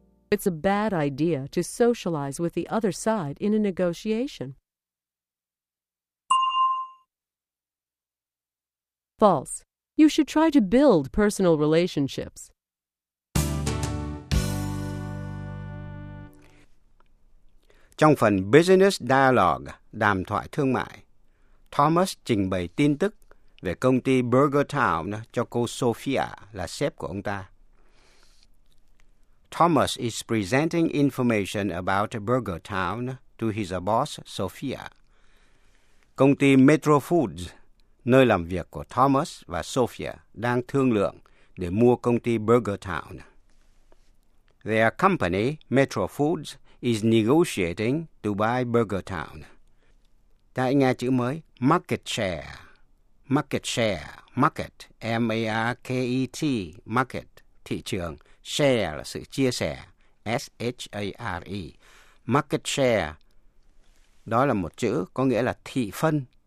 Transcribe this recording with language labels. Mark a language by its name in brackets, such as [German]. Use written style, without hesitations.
[English] It's a bad idea to socialize with the other side in a negotiation. False. You should try to build personal relationships. [Vietnamese] Trong phần Business Dialogue, đàm thoại thương mại, Thomas trình bày tin tức về công ty Burger Town cho cô Sophia là sếp của ông ta. [English] Thomas is presenting information about Burger Town to his boss Sophia. [Vietnamese] Công ty Metro Foods, nơi làm việc của Thomas và Sophia, đang thương lượng để mua công ty Burger Town. [English] Their company, Metro Foods, is negotiating to buy Burger Town. [Vietnamese] Ta hãy nghe chữ mới, [English] market share. Market share, market, M-A-R-K-E-T, market, [Vietnamese] thị trường. Share là sự chia sẻ, S-H-A-R-E. Market share, đó là một chữ có nghĩa là thị phân.